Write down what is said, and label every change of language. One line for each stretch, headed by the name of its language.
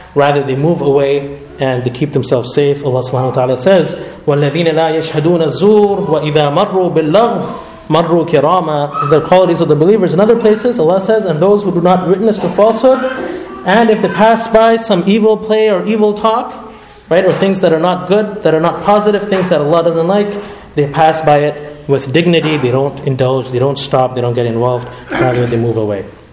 English: Rather, they move away and they keep themselves safe.
Arabic: Allah subhanahu wa ta'ala says, وَالَّذِينَ لَا يَشْهَدُونَ الزُّورِ وَإِذَا مَرُّوا بِاللَّغْوِ مَرُّوا كِرَامًا.
English: The qualities of the believers. In other places, Allah says, and those who do not witness to falsehood, and if they pass by some evil play or evil talk, right, or things that are not good, that are not positive, things that Allah doesn't like, they pass by it with dignity, they don't indulge, they don't stop, they don't get involved, rather they move away.